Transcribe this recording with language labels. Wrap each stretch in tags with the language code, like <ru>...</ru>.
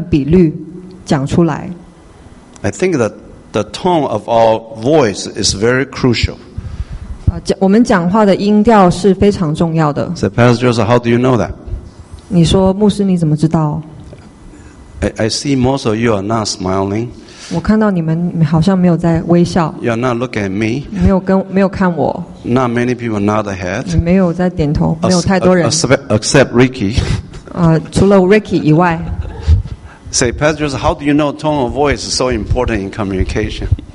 <zh>下一个要讲的就是，如果我们把所关心的内容要用正确的音调、时间、还有龄，还有带有正确的肯定和纠正的成分比率讲出来。</zh> <en>I think that the tone of our voice is very crucial.</en> <zh>我们讲话的音调是非常重要的。</zh> <en>So Pastor Joseph, how do you know that?</en> <zh>你说牧师你怎么知道？</zh> <en>I see most of you are not smiling.</en> <zh>我看到你们好像没有在微笑。</zh> <en>You are not looking at me.</en> <zh>没有看我。</zh> <en>Not many people nod their head.</en> <zh>没有在点头，没有太多人。</zh> <en>Except Ricky.</en> <zh>除了 Ricky 以外。</zh> <en>Say, Pastor Joseph, how do you know tone of voice is so important in communication?</en>